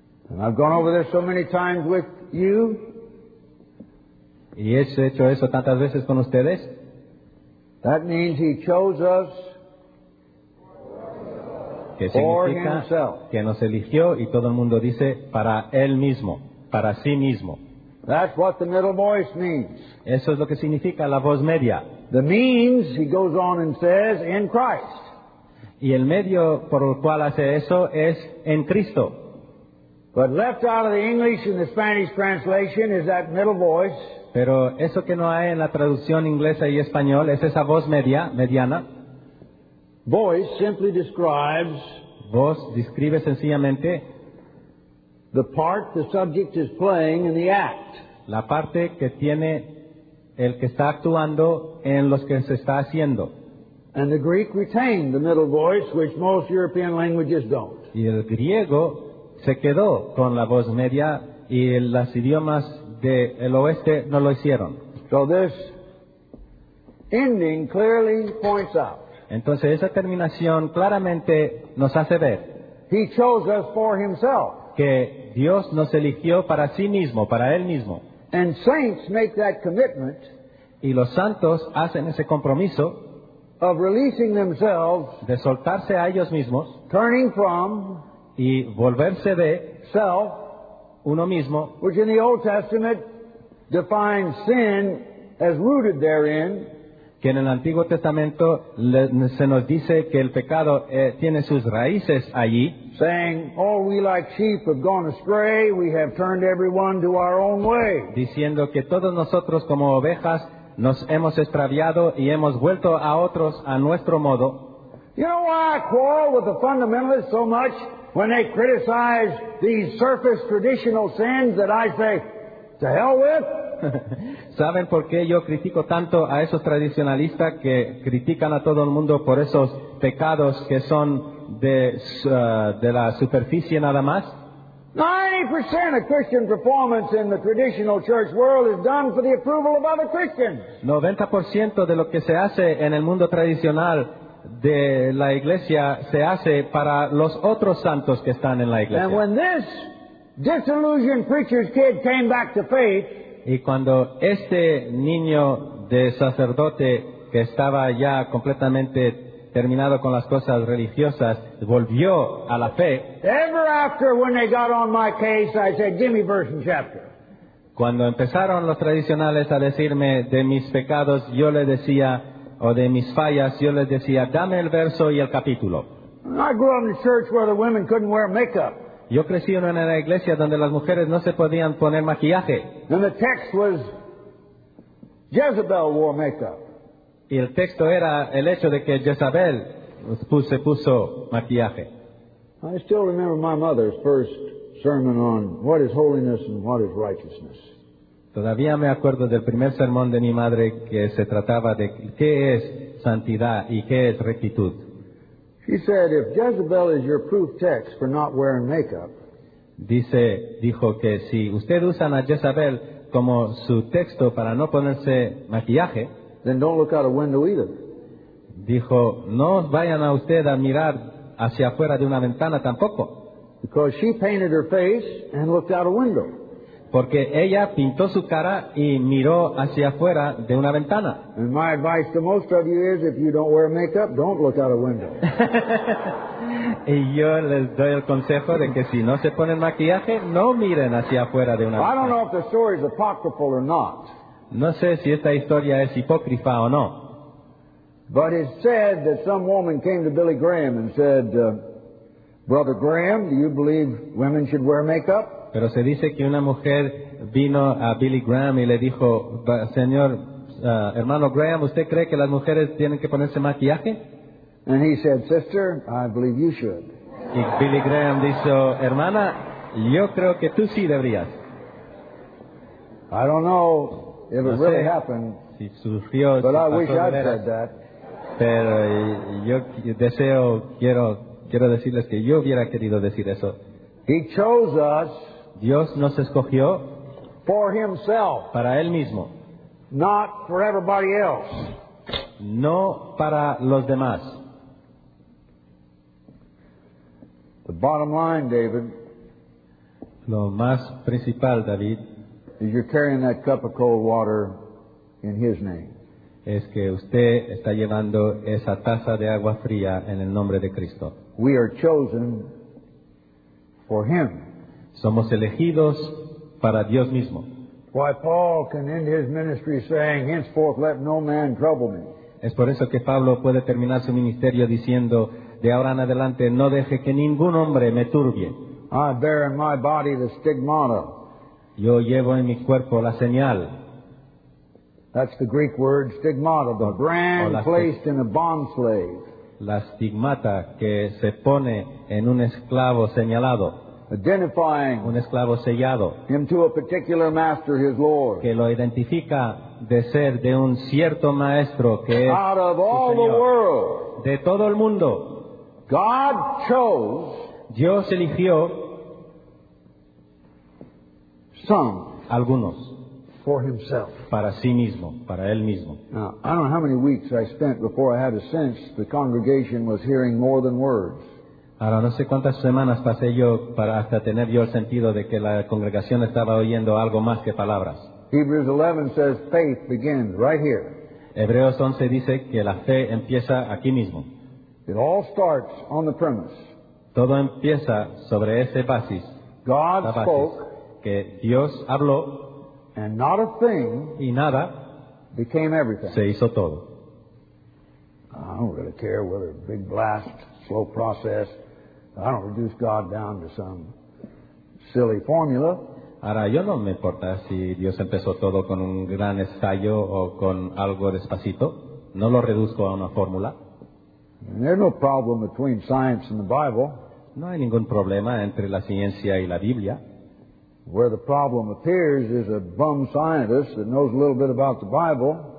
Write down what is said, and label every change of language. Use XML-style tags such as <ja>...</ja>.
<en>And I've gone over this so many times with you.</en> <es>Y he hecho eso tantas veces con ustedes.</es> <en>That means he chose us</en> <es>que significa</es> <en>for himself.</en> <es>Que nos eligió y todo el mundo dice para él mismo. Para sí mismo.</es> <en>That's what the middle voice means.</en> <es>Eso es lo que significa la voz media.</es> <en>The means, he goes on and says, in Christ.</en> <es>Y el medio por el cual hace eso es en Cristo.</es> <en>But left out of the English and the Spanish translation is that middle voice.</en> <es>Pero eso que no hay en la traducción inglesa y español es esa voz media, mediana.</es> <en>Voice simply describes.</en> <es>Voz describe sencillamente.</es> <en>The part the subject is playing in the act.</en> <es>La parte que tiene el que está actuando en los que se está haciendo.</es> <en>And the Greek retained the middle voice, which most European languages don't.</en> <es>Y el griego se quedó con la voz media y los idiomas del oeste no lo hicieron.</es> <en>So this ending clearly points out.</en> <es>Entonces esa terminación claramente nos hace ver.</es> <en>He chose us for himself.</en> <es>Que Dios nos eligió para sí mismo, para Él mismo.</es> <en>And saints make that commitment</en> <es>y los santos hacen ese compromiso</es> <en>of releasing themselves,</en> <es>de soltarse a ellos mismos</es> <en>turning from</en> <es>y volverse de</es> <en>self,</en> <es>uno mismo,</es> <en>which in the Old Testament defines sin as rooted therein,</en> <es>que en el Antiguo Testamento se nos dice que el pecado tiene sus raíces allí,</es> <en>saying, all we like sheep have gone astray, we have turned everyone to our own way.</en> <es>Diciendo que todos nosotros como ovejas nos hemos extraviado y hemos vuelto a otros a nuestro modo.</es> <en>You know why I quarrel with the fundamentalists so much when they criticize these surface traditional sins that I say, to hell with?</en> <es>¿Saben por qué yo critico tanto a esos tradicionalistas que critican a todo el mundo por esos pecados que son de la superficie nada más?</es> <en>90% of Christian performance in the traditional church world is done for the approval of other Christians.</en> <es>90% de lo que se hace en el mundo tradicional de la iglesia se hace para los otros santos que están en la iglesia.</es> <en>And when this disillusioned preacher's kid came back to faith,</en> <es>y cuando este niño de sacerdote que estaba ya completamente terminado con las cosas religiosas, volvió a la fe.</es> <en>Ever after when they got on my case, I said, give me verse and chapter.</en> <es>Cuando empezaron los tradicionales a decirme de mis pecados, yo les decía, o de mis fallas, yo les decía, dame el verso y el capítulo.</es> <en>I grew up in a church where the women couldn't wear makeup.</en> <es>Yo crecí en una iglesia donde las mujeres no se podían poner maquillaje.</es> <en>And the text was, Jezebel wore makeup.</en> <es>Y el texto era el hecho de que Jezabel se puso maquillaje.</es> <en>I still remember my mother's first sermon on what is holiness and what is righteousness.</en> <es>Todavía me acuerdo del primer sermón de mi madre que se trataba de qué es santidad y qué es rectitud.</es> <en>She said, if Jezebel is your proof text for not wearing makeup,</en> <es>dijo que si usted usa a Jezabel como su texto para no ponerse maquillaje,</es> <en>then don't look out a window either.</en> <es>Dijo, no vayan a usted a mirar hacia afuera de una ventana tampoco.</es> <en>Because she painted her face and looked out a window.</en> <es>Porque ella pintó su cara y miró hacia afuera de una ventana.</es> <en>And my advice to most of you is, if you don't wear makeup, don't look out a window.</en> <es>Y yo les doy el consejo de que si no se ponen maquillaje, no miren hacia afuera de una ventana.</es> <en>I don't know if the story is apocryphal or not.</en> <es>No sé si esta historia es hipócrita o no.</es> <en>But it said that some woman came to Billy Graham and said, Brother Graham, do you believe women should wear makeup?</en> <es>Pero se dice que una mujer vino a Billy Graham y le dijo, Señor, hermano Graham, ¿usted cree que las mujeres tienen que ponerse maquillaje?</es> <en>And he said, Sister, I believe you should.</en> <es>Y Billy Graham dijo, hermana, yo creo que tú sí deberías.</es> <en>I don't know if it</en> <es>no</es> <en>really happened,</en> <es>si surgió,</es> <en>but</en> <es>si</es> <en>I wish I'd said that.</en> <es>Pero yo deseo, quiero decirles que yo hubiera querido decir eso.</es> <en>He chose us.</en> <es>Dios nos escogió</es> <en>for himself,</en> <es>para él mismo,</es> <en>not for everybody else.</en> <es>No para los demás.</es> <en>The bottom line, David.</en> <es>Lo más principal, David.</es> <en>Is you're carrying that cup of cold water in His name.</en> <es>Es que usted está llevando esa taza de agua fría en el nombre de Cristo.</es> <en>We are chosen for Him.</en> <es>Somos elegidos para Dios mismo.</es> <en>Why Paul can end his ministry saying, henceforth let no man trouble me.</en> <es>Es por eso que Pablo puede terminar su ministerio diciendo, de ahora en adelante no deje que ningún hombre me turbie.</es> <en>I bear in my body the stigmata.</en> <es>Yo llevo en mi cuerpo la señal.</es> <en>That's the Greek word stigmata, the brand placed in a bond slave.</en> <es>La stigmata que se pone en un esclavo señalado.</es> <en>Identifying</en> <es>un esclavo sellado.</es> <en>Him to a particular master, his lord.</en> <es>Que lo identifica de ser de un cierto maestro que es su señor.</es> <en>Out of all the world,</en> <es>de todo el mundo.</es> <en>God chose.</en> <es>Dios eligió.</es> <en>Some,</en> <es>algunos,</es> <en>for himself,</en> <es>para sí mismo, para él mismo.</es> <en>Now, I don't know how many weeks I spent before I had a sense the congregation was hearing more than words.</en> <es>Ahora no sé cuántas semanas pasé yo para hasta tener yo el sentido de que la congregación estaba oyendo algo más que palabras.</es> <en>Hebrews 11 says faith begins right here.</en> <es>Hebreos 11 dice que la fe empieza aquí mismo.</es> <en>It all starts on the premise.</en> <es>Todo empieza sobre ese basis.</es> <en>God spoke.</en> <es>Que Dios habló,</es> <en>and not a thing,</en> <es>y nada</es> <en>became everything.</en> <es>Se hizo todo.</es> <en>I don't really care whether big blast, slow process. I don't reduce God down to some silly formula.</en> <es>Ahora yo no me importa si Dios empezó todo con un gran estallo o con algo despacito. No lo reduzco a una fórmula.</es> <en>There's no problem between science and the Bible.</en> <es>No hay ningún problema entre la ciencia y la Biblia.</es> <en>Where the problem appears is a bum scientist that knows a little bit about the Bible.</en>